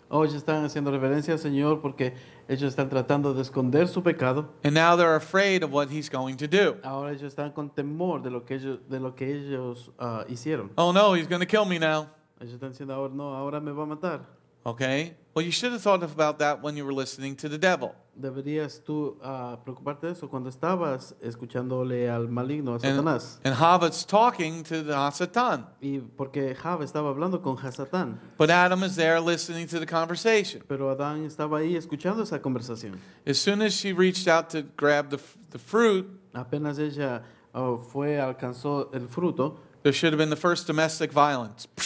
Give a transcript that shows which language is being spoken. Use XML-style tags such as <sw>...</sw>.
<es>Hoy están haciendo reverencia al Señor porque ellos están tratando de esconder su pecado.</es> <en>And now they're afraid of what he's going to do.</en> <es>Ahora ellos están con temor de lo que ellos hicieron.</es> <en>Oh no, he's going to kill me now.</en> <es>Ellos están diciendo ahora no, ahora me va a matar.</es> <en>Okay. Well, you should have thought about that when you were listening to the devil.</en> <es>Deberías tú preocuparte de eso cuando estabas escuchándole al maligno, a Satanás.</es> <en>And Hava's talking to the Hasatan.</en> <es>Y porque Hava estaba hablando con Hasatán.</es> <en>But Adam is there listening to the conversation.</en> <es>Pero Adán estaba ahí escuchando esa conversación.</es> <en>As soon as she reached out to grab the fruit,</en> <es>apenas ella alcanzó el fruto,</es> <en>there should have been the first domestic violence.</en>